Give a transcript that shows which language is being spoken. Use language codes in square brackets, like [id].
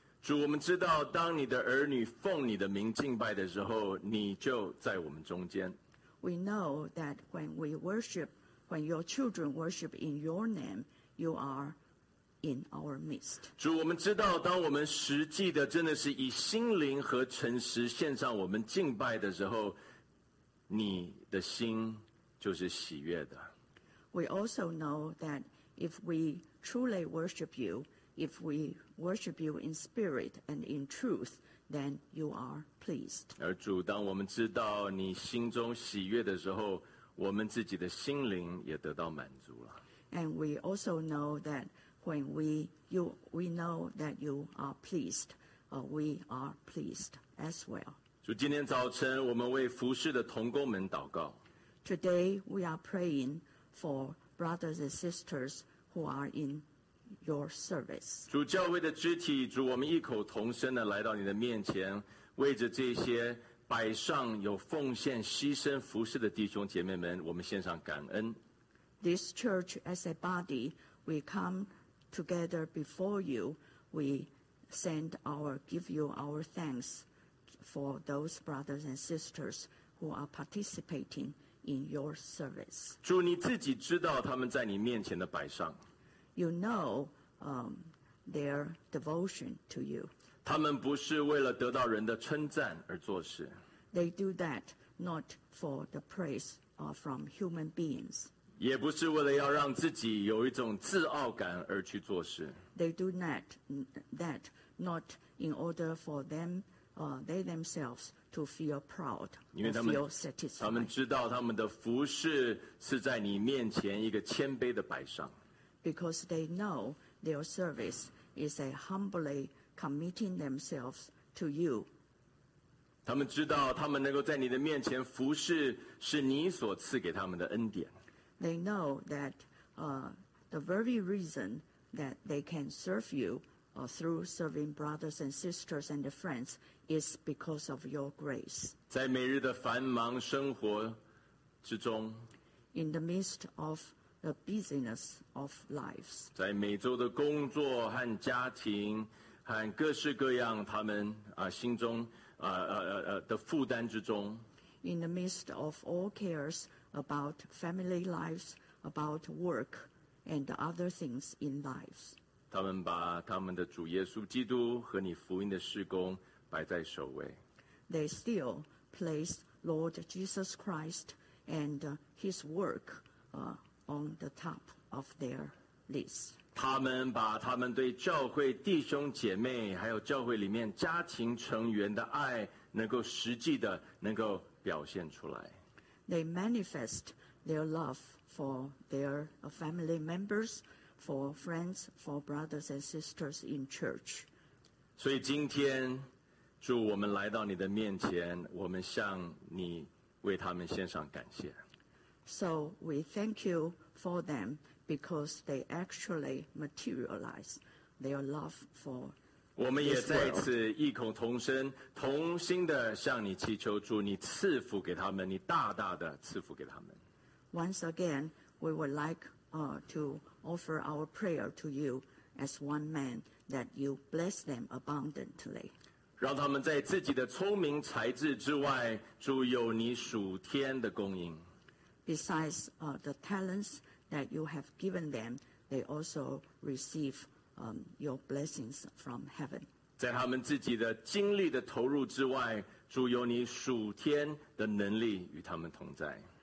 [zh] 主，我们知道，当你的儿女奉你的名敬拜的时候，你就在我们中间。 [en] We know that when we worship, when your children worship in your name, you are in our midst. [zh] 主，我们知道，当我们实际的真的是以心灵和诚实献上我们敬拜的时候，你的心就是喜悦的。 [en] We also know that if we truly worship you, if we worship you in spirit and in truth, then you are pleased. [zh] 而主，当我们知道你心中喜悦的时候，我们自己的心灵也得到满足了。 [en] And we also know that when we know that you are pleased, we are pleased as well. [zh] 主，今天早晨我们为服事的同工们祷告。 [en] Today we are praying for brothers and sisters who are in your service. [zh] 主，教会的肢体，主，我们异口同声的来到你的面前，为着这些摆上有奉献牺牲服事的弟兄姐妹们，我们献上感恩。 [en] This church as a body, we come together before you. We send our, give you our thanks for those brothers and sisters who are participating in your service. [zh] 主，你自己知道他们在你面前的摆上。 [en] You know, their devotion to you. [zh] 他们不是为了得到人的称赞而做事。 [en] They do that not for the praise from human beings. [zh] 也不是为了要让自己有一种自傲感而去做事。 [en] They do that not in order for them, they themselves to feel proud, feel satisfied. [zh] 他们知道他们的服事是在你面前一个谦卑的摆上。 [en] Because they know their service is a humbly committing themselves to you. [zh] 他们知道他们能够在你的面前服事是你所赐给他们的恩典。 [en] They know that the very reason that they can serve you through serving brothers and sisters and friends is because of your grace. [zh] 在每日的繁忙生活之中， [en] In the midst of the busyness of lives, [zh] 在每周的工作和家庭和各式各样他们心中的负担之中， [en] In the midst of all cares about family lives, about work and other things in lives, [zh] 他们把他们的主耶稣基督和你福音的事工摆在首位。 [en] They still place Lord Jesus Christ and his work on the top of their list. [zh] 他们把他们对教会弟兄姐妹还有教会里面家庭成员的爱能够实际的能够表现出来。 [en] They manifest their love for their family members, for friends, for brothers and sisters in church. [zh] 所以今天，主，我们来到你的面前，我们向你为他们献上感谢。 [en] So we thank you for them because they actually materialize their love for this world. [zh] 我们也再次异口同声，同心的向你祈求，主，你赐福给他们，你大大的赐福给他们。 [en] Once again, we would like to offer our prayer to you as one man that you bless them abundantly. [zh] 让他们在自己的聪明才智之外，主，有你属天的供应。 [en] Besides the talents that you have given them, they also receive your blessings from heaven. [zh] 在他们自己的精力的投入之外，主，有你属天的能力与他们同在。